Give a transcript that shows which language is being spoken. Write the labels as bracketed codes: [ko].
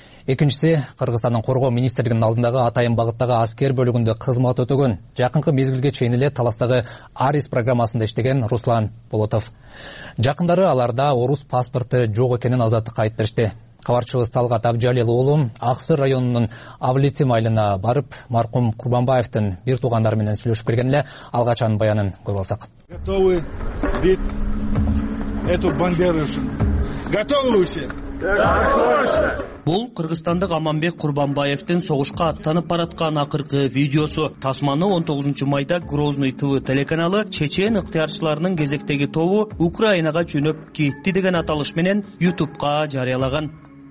[ky] Экинчиси Кыргызстандын коргоо министрлигинин алдындагы атайын багыттагы аскер бөлүгүндө кызмат өтөгөн, жакынкы мезгилге чейин эле Таластагы Арис программасында иштеген Руслан Болотов. Жакындары аларда орус паспорту жок экенин азаттыкка айтып беришти. Кабарчыбыз Талгат Абжалил уулу Аксыр районунун Авлитим айылына барып, маркум Курбанбаевдин бир туугандары менен сүйлөшүп келген эле алгач анын баянын көрүп алсак. [ru] Готовы бить эту бандеру? Готовы все? [ky] Бул кыргызстандык Аманбек Курбанбаевдин согушка аттанып бараткан акыркы видеосу. Тасманы 19 майда Грозный ТВ телеканалы чечен ыктыярчыларынын кезектеги тобу Украинага жөнөп кетти деген аталыш менен YouTube'ка жарыялаган.